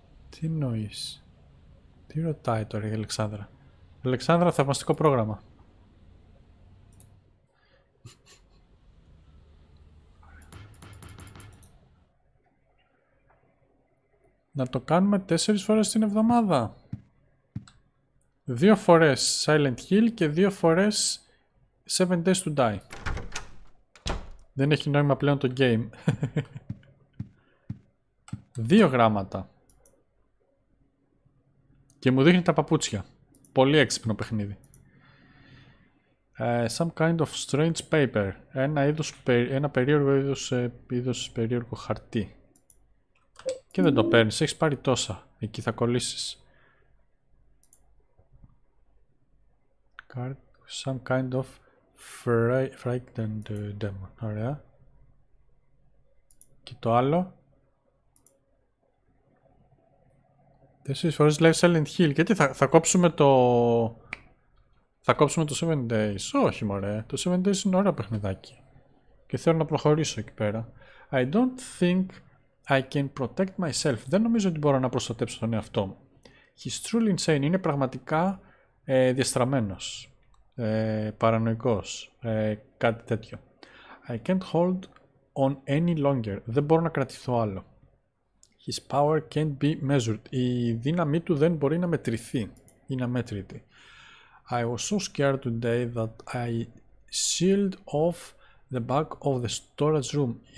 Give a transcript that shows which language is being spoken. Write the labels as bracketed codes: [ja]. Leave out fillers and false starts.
[el] Τι εννοείς? Τι ρωτάει τώρα η Αλεξάνδρα? Αλεξάνδρα, θαυμαστικό πρόγραμμα. Να το κάνουμε 4 φορές την εβδομάδα. 2 φορές Silent Hill και 2 φορές 7 Days to Die. Δεν έχει νόημα πλέον το game. 2 γράμματα. Και μου δείχνει τα παπούτσια. Πολύ έξυπνο παιχνίδι. [en] Some kind of strange paper. [el] Ένα περίεργο είδος περίεργο χαρτί. Και δεν το παίρνεις, έχεις πάρει τόσα. Εκεί θα κολλήσεις. [en] Card, some kind of frightened demon. [el] Ωραία. Και το άλλο. Τέσσερις φορές λέει Silent Hill. Γιατί θα κόψουμε το 7 Days. Όχι μωρέ, το 7 Days είναι ωραίο παιχνιδάκι. Και θέλω να προχωρήσω εκεί πέρα. [en] I don't think I can protect myself. [el] Δεν νομίζω ότι μπορώ να προστατέψω τον εαυτό μου. [en] He's truly insane. [el] Είναι πραγματικά διαστραμμένος. Παρανοϊκός. Κάτι τέτοιο. [en] I can't hold on any longer. [el] Δεν μπορώ να κρατηθώ άλλο. [en] His power can't be measured. [el] Η δύναμή του δεν μπορεί να μετρηθεί. Είναι αμέτρητη. [en] I was so scared today that I sealed off the back of the storage room.